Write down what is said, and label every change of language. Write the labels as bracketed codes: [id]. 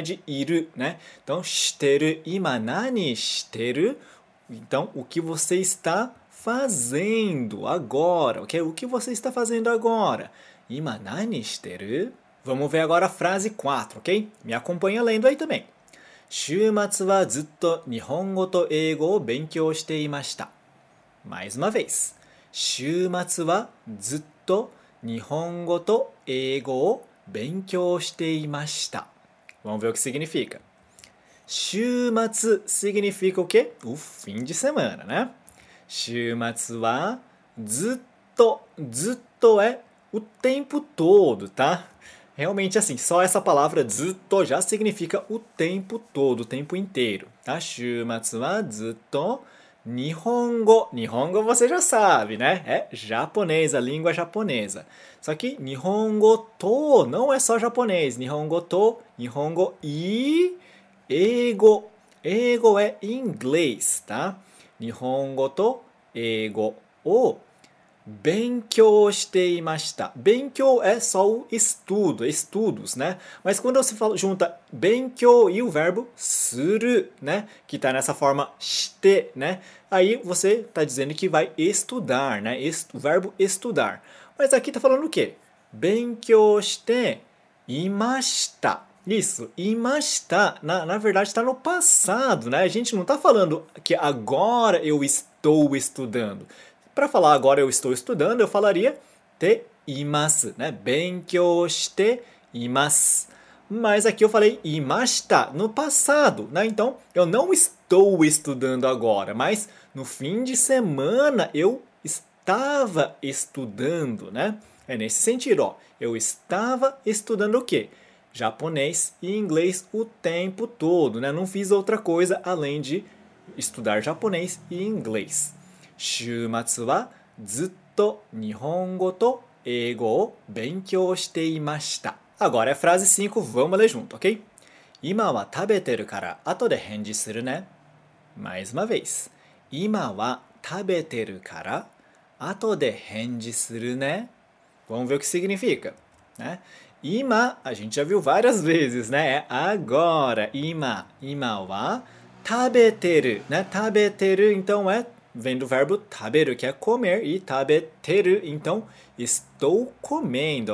[pt] De [ja] いる, [pt] né? Então, [ja] してる。今何してる？ [pt] Então, o que você está fazendo agora, ok? O que você está fazendo agora? [ja] 今何してる？ [pt] Vamos ver agora a frase 4, ok? Me acompanha lendo aí também. [ja] 週末はずっと日本語と英語を勉強していました。 [pt] Mais uma vez. [ja] 週末はずっと日本語と英語を勉強していました。 [pt] Vamos ver o que significa. 週末 significa o quê? O fim de semana, né? [ja] 週末はずっと、ずっとえお [pt] tempo todo, tá? Realmente assim, só essa palavra ずっと já significa o tempo todo, o tempo inteiro, tá? [ja] 週末はずっと日本語。 [pt] 日本語você já sabe, né? É japonês, a língua japonesa. Só que 日本語と não é só japonês. [ja] 日本語と、日本語い、英語。 [pt] 英語é inglês, tá? [ja] 日本語と英語を勉強していました。 [pt] 勉強é só o estudo, estudos, né? Mas quando você fala, junta 勉強e o verbo する, né? Que está nessa forma して, né? Aí você está dizendo que vai estudar, né? O verbo estudar. Mas aqui está falando o quê? [ja] 勉強していました。 [pt] Isso, imashita, na verdade está no passado, né? A gente não está falando que agora eu estou estudando. Para falar agora eu estou estudando, eu falaria te imasu, né? [ja] Benkyou shite imasu. [pt] Mas aqui eu falei imashita no passado, né? Então eu não estou estudando agora, mas no fim de semana eu estava estudando, né? É nesse sentido, ó. Eu estava estudando o quê? Japonês e inglês o tempo todo, né? Não fiz outra coisa além de estudar japonês e inglês. 週末はずっと日本語と英語を勉強していました。 Agora é a frase 5, vamos ler junto, ok? [ja] 今は食べてるから後で返事するね。 [pt] Mais uma vez. [ja] 今は食べてるから後で返事するね。 [pt] Vamos ver o que significa, né? Ima, a gente já viu várias vezes, né? É agora. Ima. [ja] Ima wa taberu, [pt] né? Taberu, então é vem do verbo taberu, que é comer, e taberu, então estou comendo.